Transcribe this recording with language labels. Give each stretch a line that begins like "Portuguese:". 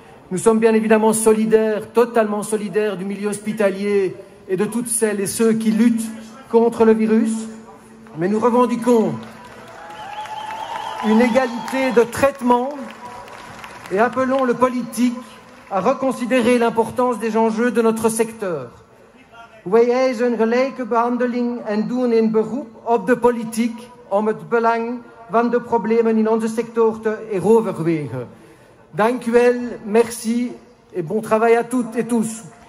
French: Nous sommes bien évidemment solidaires, totalement solidaires du milieu hospitalier et de toutes celles et ceux qui luttent contre le virus. Mais nous revendiquons une égalité de traitement et appelons le politique à reconsidérer l'importance des enjeux de notre secteur.
Dutch: Wij eisen gelijke behandeling en doen in beroep op de politiek om het belang van de problemen in onze sector te heroverwegen. Dank u wel,
French: merci et bon travail à toutes et tous.